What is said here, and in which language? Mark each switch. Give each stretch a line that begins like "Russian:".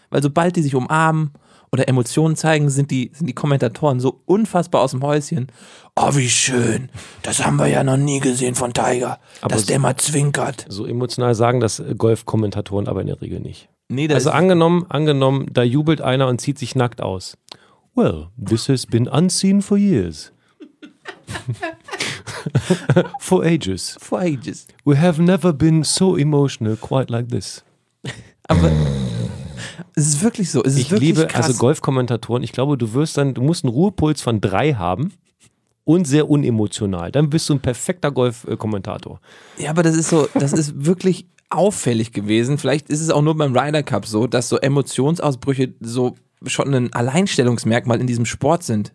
German: Weil sobald die sich umarmen oder Emotionen zeigen, sind die Kommentatoren so unfassbar aus dem Häuschen. Oh, wie schön. Das haben wir ja noch nie gesehen von Tiger. Aber dass der mal zwinkert. So emotional sagen das Golf-Kommentatoren aber in der Regel nicht. Nee, also angenommen, da jubelt einer und zieht sich nackt aus.
English: Well, this has been unseen for years. For ages. We have never been so emotional quite like this.
German: Aber es ist wirklich so. Es ist ich liebe krass. Also Golfkommentatoren. Ich glaube, du musst einen Ruhepuls von 3 haben. und sehr unemotional. Dann bist du ein perfekter Golf-Kommentator. Ja, aber das ist so, das ist wirklich auffällig gewesen. Vielleicht ist es auch nur beim Ryder Cup so, dass so Emotionsausbrüche so schon ein Alleinstellungsmerkmal in diesem Sport sind.